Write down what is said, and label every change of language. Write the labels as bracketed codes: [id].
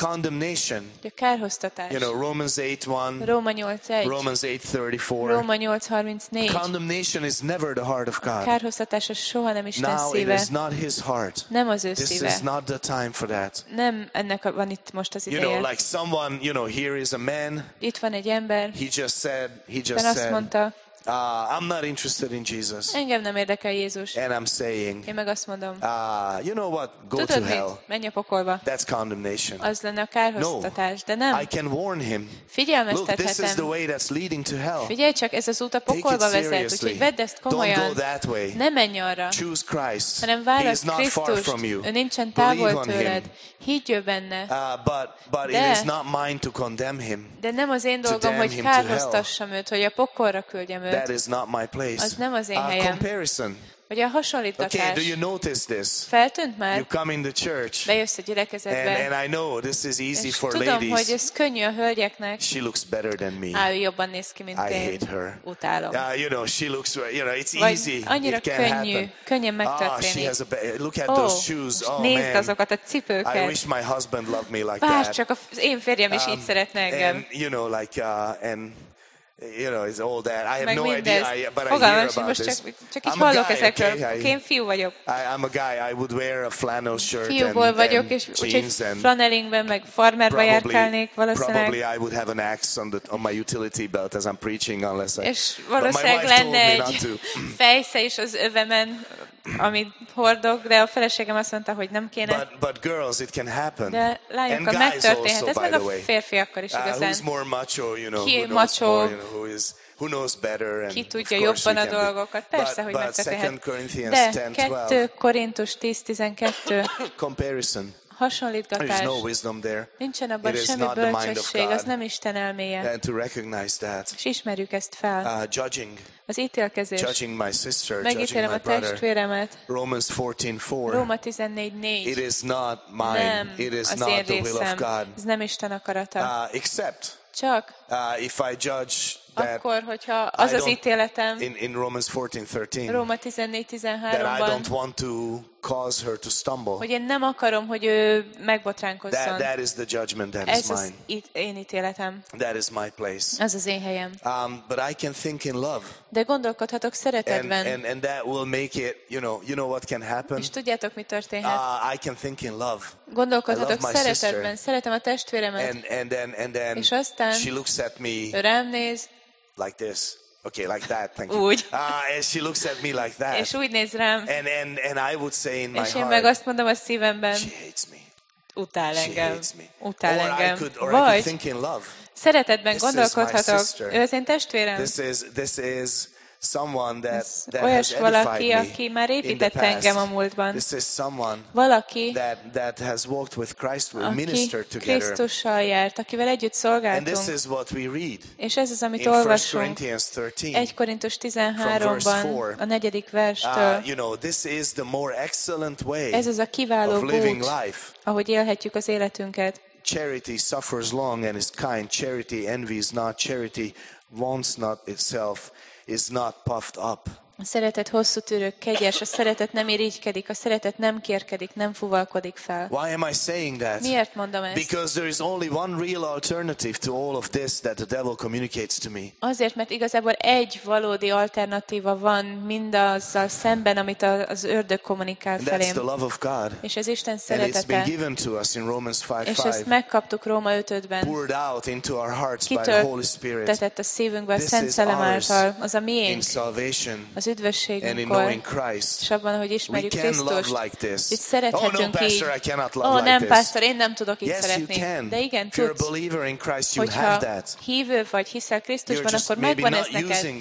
[en] Condemnation. [hu] A kárhoztatás. [en] You know, Romans 8:1. [hu] Róma 8:1. [en] Romans 8:34. [hu] Róma 8:34. [en] Condemnation is never the heart of God. [hu] A kárhoztatás az soha nem Isten [en] Now [hu] szíve. [en] It is not his heart. [hu] Nem az ő [en] This [hu] szíve. [en] Is not the time for that. [hu] Nem ennek van itt most az ideje. [en] You know, like someone, you know, here is a man. [hu] Itt van egy ember. [en] He just said. [hu] Mondta, [en] I'm not interested in Jesus. [hu] Engem nem érdekel Jézus. [en] And I'm saying. [hu] Én meg azt mondom. [en] You know what? Go [hu] tudod [en] to hell. [hu] Menj a pokolba. [en] That's condemnation. [hu] Az lenne a kárhoztatás, [en] no, [hu] de nem. [en] I can warn him. [hu] Figyelmeztethetem. [en] Look, this is the way that's leading to hell. [hu] Figyelj csak, ez az út a pokolba vezet, úgyhogy vedd ezt komolyan. [en] Don't go that way. [hu] Ne menj arra. [en] Choose Christ. [hu] Hanem válasz [en] He is not [hu] Krisztust. [en] Far from you. [hu] Ő nincsen távol tőled. Higgy ő benne. [en] But it is not mine to condemn him. [hu] De nem az én dolgom, hogy kárhoztassam őt, hogy a pokolra küldjem. [en] That is not my place. [hu] Az nem az én helyem. [en] Comparison. [hu] Vagy a hasonlítatás. [en] Okay, do you notice this? [hu] Feltűnt már? [en] You come in the church. [hu] Bejössz a gyülekezetbe. [en] And I know this is easy [hu] és [en] for [hu] tudom, [en] ladies. [hu] Tudom, hogy ez könnyű a hölgyeknek. [en] She looks better than me. [hu] Á, jobban néz ki, mint [en] I [hu] én. [en] I hate her. [hu] Utálom. [en] You know, she looks, you know, it's [hu] vagy [en] easy. [hu] Annyira [en] it can [hu] könnyű. [en] Happen. [hu] Könnyen megtörténik. [en] She has a look at those shoes. Oh, [hu] nézd [en] man. [hu] Azokat a cipőket. [en] I wish my husband loved me like [hu] bár [en] that. [hu] Csak az én férjem is így szeretne engem. [en] And, you know, like, and... You know, it's all that. I have [hu] meg [en] no [hu] mindez. [en] Idea, but [hu] fogalmas, [en] I hear about [hu] most [en] this. [hu] Csak is hallok ezekről. Okay, én fiú vagyok. [en] I'm a guy. I would wear a flannel shirt [hu] fiúból [en] and jeans. [hu] Vagyok, és úgyhogy flanelingben meg farmerba járkálnék valószínűleg. [en] Probably I would have an axe on my utility belt as I'm preaching unless I... [hu] És valószínűleg lenne egy fejsze is az övemen, amit hordok, de a feleségem azt mondta, hogy nem kéne. [en] But girls, it can happen. [hu] De lányokkal megtörténhet. Ez meg a férfiakkal is igazán. [en] Who's more macho, you know, [hu] ki [en] macho, who knows better and [hu] ki tudja jobban a dolgokat? Persze, hogy megtehet. De 2 Korintus 10:12. [en] Comparison. [hu] Hasonlítgatás. [en] There is no wisdom there. [hu] Nincsen abban semmi bölcsesség, az nem Isten elméje. [en] And to recognize that. [hu] És ismerjük ezt fel. [en] Judging. [hu] Az ítélkezés. [en] Judging my sister, [hu] megítélem [en] judging my [hu] a testvéremet. [en] Romans 14:4. [hu] Róma 14:4. [en] It is not mine. [hu] Nem, [en] it is not the will of God. [hu] Ez nem Isten akarata. [en] Except. [hu] Csak. [en] If I judge that, [hu] akkor, hogyha az az ítéletem. [en] In Romans 14:13. [hu] Róma 14:13. [en] That I don't want to cause her to stumble. [hu] Hogy én nem akarom, hogy ő megbotránkozzon. [en] That is the judgment that [hu] ez [en] is mine. [hu] Én ítéletem. [en] That is my place. [hu] Ez az én helyem. [en] But I can think in love. [hu] De gondolkodhatok szeretetben. [en] And that will make it, you know what can happen. [hu] És tudjátok, mi történhet? [en] I can think in love. [hu] Gondolkodhatok [en] love [hu] szeretetben. [en] Sister. [hu] Szeretem a testvéremet. [en] And then. [hu] És aztán. [en] She looks at me. [hu] Rám néz. [en] Like this. Okay, like that. Thank you. [hu] Úgy. [en] And she looks at me like that. [hu] És úgy néz rám. [en] And I would say in my heart. [hu] És én meg azt mondom a szívemben. [en] She hates me. [hu] Utál engem. [en] She hates me. [hu] Utál engem. [en] Or I could think in love. [hu] Szeretetben gondolkodhatok. Ő az én testvérem. [en] This is someone that [hu] olyas valaki, aki már épített engem a múltban. [en] This is someone [hu] valaki, [en] that has walked with Christ, we ministered together. [hu] Krisztussal járt, akivel együtt szolgáltunk. [en] And this is what we read. [hu] És ez az, amit olvasunk. 1 Korintus 13-ban, a 4. verstől. [en] You know, this is the more excellent way. [hu] Ez az a kiváló [en] of living life. [hu] Ahogy élhetjük az életünket. [en] Charity suffers long and is kind. Charity envies not. Charity wants not itself. Is not puffed up. [hu] A szeretet hosszú türő, kegyes, a szeretet nem irigykedik, a szeretet nem kérkedik, nem fuvalkodik fel. [en] Why am I saying that? [hu] Miért mondom ezt? [en] Because there is only one real alternative to all of this that the devil communicates to me. [hu] Azért, mert igazából egy valódi alternatíva van mindazzal szemben, amit az ördög kommunikál felém. [en] That's the love of God. [hu] És ez Isten szeretete. [en] And it's been given to us in Romans 5:5. [hu] És ezt megkaptuk Róma 5:5-ben. [en] Poured out into our hearts by the Holy Spirit. [hu] Kitöltetett a szívünkbe a Szent Szellem által. Az a miénk. [en] In salvation. [hu] Az üdvösségünkkor, [en] Christ, [hu] és abban, hogy ismerjük Krisztust, [en] like [hu] így szerethetünk [en] oh, no, [hu] így. [en] Pastor, [hu] oh, nem, [en] like [hu] pásztor, én nem tudok így [en] yes, [hu] szeretni. De igen, tudsz. [en] Christ, [hu] hogyha hívő vagy, hiszel Krisztusban, akkor megvan ez neked.